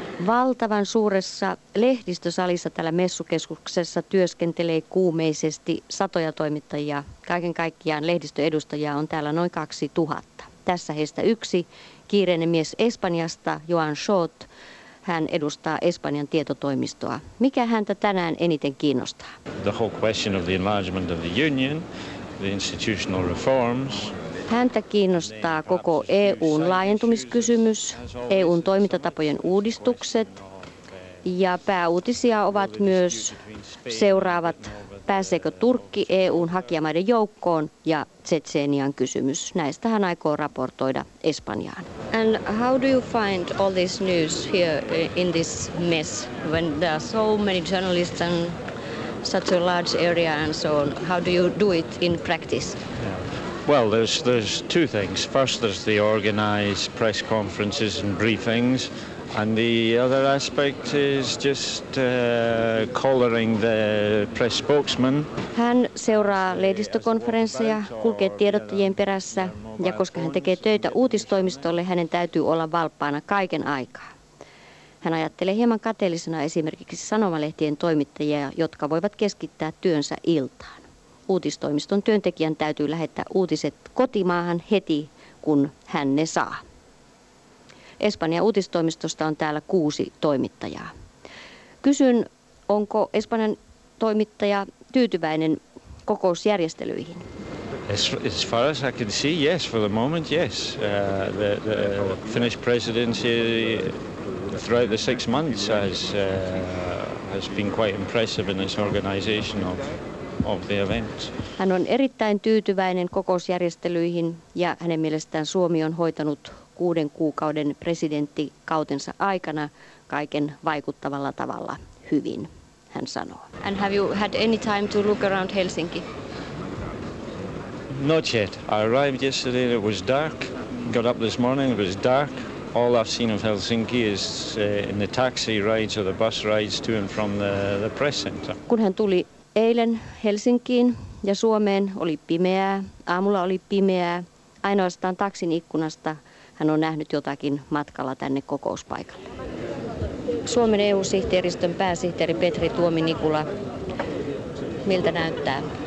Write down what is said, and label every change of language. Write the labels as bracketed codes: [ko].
[fi] Valtavan suuressa lehdistösalissa täällä messukeskuksessa työskentelee kuumeisesti satoja toimittajia. Kaiken kaikkiaan lehdistöedustajia on täällä noin 2000. Tässä heistä yksi kiireinen mies Espanjasta, Joan Short. Hän edustaa Espanjan tietotoimistoa. Mikä häntä tänään eniten kiinnostaa? [en] The whole question of the enlargement of the union, the institutional reforms. [fi] Häntä kiinnostaa koko EU:n laajentumiskysymys, EU:n toimintatapojen uudistukset ja pääuutisia ovat myös seuraavat, pääseekö Turkki EU:n hakijamaiden joukkoon ja Tsetsenian kysymys. Näistä hän aikoo raportoida Espanjaan. [en] And how do you find all this news here in this mess when there are so many journalists and such a large area and so on? How do you do it in practice? Well, there's two things. First, there's the organized press conferences and briefings, and the other aspect is just collaring the press spokesman. [fi] Hän seuraa lehdistökonferensseja, kulkee tiedottajien perässä, ja koska hän tekee töitä uutistoimistolle, hänen täytyy olla valppaana kaiken aikaa. Hän ajattelee hieman kateellisena esimerkiksi sanomalehtien toimittajia, jotka voivat keskittää työnsä iltaan. Uutistoimiston työntekijän täytyy lähettää uutiset kotimaahan heti, kun hän ne saa. Espanjan uutistoimistosta on täällä 6 toimittajaa. Kysyn, onko Espanjan toimittaja tyytyväinen kokousjärjestelyihin? [en] As far as I can see, yes, for the moment, yes. The Finnish presidency throughout the 6 months has been quite impressive in its organization of. [fi] Hän on erittäin tyytyväinen kokousjärjestelyihin ja hänen mielestään Suomi on hoitanut 6 kuukauden presidenttikautensa aikana kaiken vaikuttavalla tavalla hyvin, hän sanoo. [en] And have you had any time to look around Helsinki? Not yet. I arrived yesterday and it was dark. Got up this morning, it was dark. All I've seen of Helsinki is in the taxi rides or the bus rides to and from the press center. [fi] Kun hän tuli eilen Helsinkiin ja Suomeen oli pimeää, aamulla oli pimeää. Ainoastaan taksin ikkunasta hän on nähnyt jotakin matkalla tänne kokouspaikalle. Suomen EU-sihteeristön pääsihteeri Petri Tuomi-Nikula, miltä näyttää?